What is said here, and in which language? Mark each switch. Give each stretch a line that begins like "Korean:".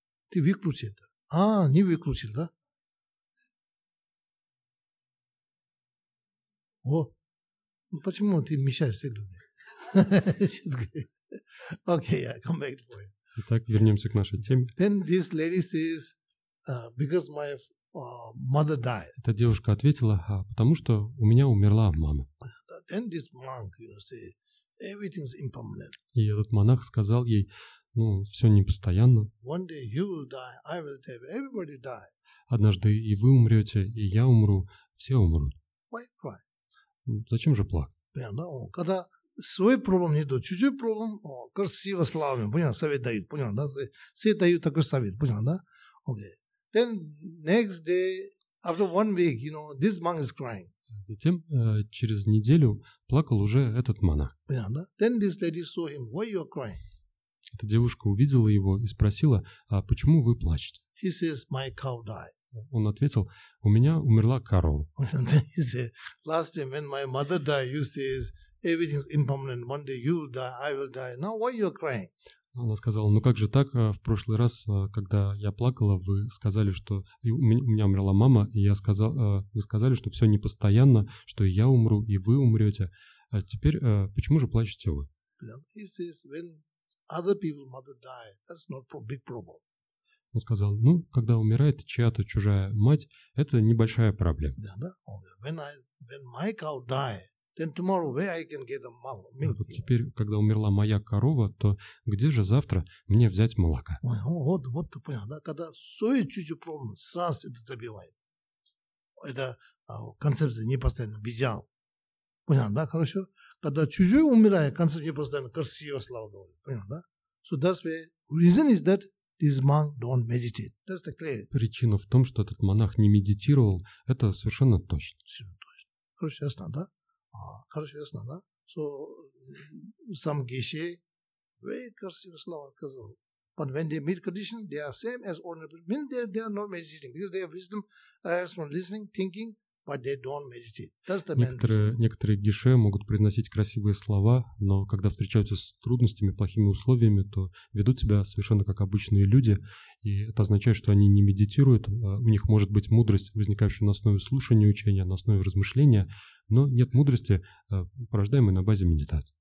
Russian: Ты выключи это. А, не выключил, да? О, почему ты мешаешь этим людям? Окей, я
English: come back for you.
Russian: Итак, вернемся к нашей теме.
English: Then this lady says, because my mother died.
Russian: Эта девушка ответила, потому что у меня умерла мама.
English: Then this monk, you know, say, everything's impermanent.
Russian: И этот монах сказал ей, ну, все непостоянно.
English: One day you will die, I will die, everybody die.
Russian: Однажды и вы умрете, и я умру, все умрут.
English: Why cry?
Russian: Зачем же плакать? Понятно? Когда свой проблем не дает, чужой проблем, о, красиво, славно, понятно, совет дают, понятно, да? Все дают такой совет, понятно, да?
English: Okay. Then next day, after one week, you know, this monk is crying.
Russian: Затем через неделю плакал уже этот монах. Понятно, да?
English: Then this lady saw him. Why you are crying?
Russian: Эта девушка увидела его и спросила, а почему вы плачете?
English: He says, my cow died.
Russian: Он ответил, у меня умерла корова.
English: And then he said, last time when my mother died, you says, everything's impermanent. One day you'll die, I will die. Now why you are crying?
Russian: Она сказала, ну как же так, в прошлый раз, когда я плакала, вы сказали, что у меня умерла мама, и я сказал, вы сказали, что все непостоянно, что я умру, и вы умрете. А теперь, почему же плачете вы?
English: He says, when other people's mother die, that's not a big problem.
Russian: Он сказал, ну, когда умирает чья-то чужая мать, это небольшая проблема.
English: When my cow died, then tomorrow where I can get the milk?
Russian: Вот теперь, когда умерла моя корова, то где же завтра мне взять молока? Вот ты понял, да? Когда свой чуть-чуть проблем, сразу это забивает. Это концепция непостоянно, безял. Понял, да, хорошо? Когда чужой умирает, концепция непостоянно, красиво, слава говорит. Понял, да?
English: So that's why, reason is that this monk don't meditate. That's the clear.
Russian: Причина в том, что этот монах не медитировал, это совершенно точно. Совершенно точно. Хорошо, ясно, да? Хорошо, ясно, да? So, сам Геше very красивые слова сказал.
English: But when they meet condition, they are same as ordinary people. Means they are not meditating. Because they have wisdom, arise from listening, thinking, but they don't meditate. That's the
Russian: некоторые,
English: main reason.
Russian: Некоторые Геше могут произносить красивые слова, но когда встречаются с трудностями, плохими условиями, то ведут себя совершенно как обычные люди. И это означает, что они не медитируют. У них может быть мудрость, возникающая на основе слушания учения, на основе размышления, но нет мудрости, порождаемой на базе медитации.